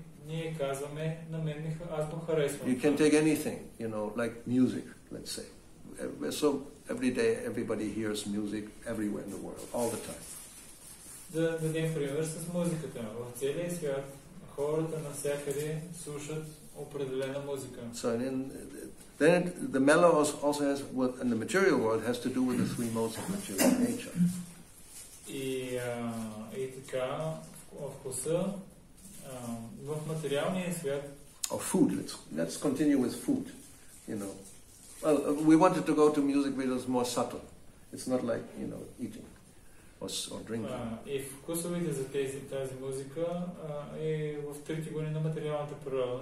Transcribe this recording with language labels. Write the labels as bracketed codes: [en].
[bg] ние казваме на мен аз го харесвам. [en] You can take anything, you know, like music, let's say. So every day everybody hears music everywhere in the world, all the time. [bg] Да дадем пример с музиката. В целия свят хората навсякъде слушат определена музика. [en] So then, then it, the mellow also has, well, in the material world, has to do with the three modes of material nature. [bg] И така, вкуса в материалния свят. [en] Of food, let's continue with food, you know. Well, we wanted to go to music which is more subtle. It's not like, you know, eating or drinking. [bg] И вкусовите за тази музика е в трети гони на материалната природа.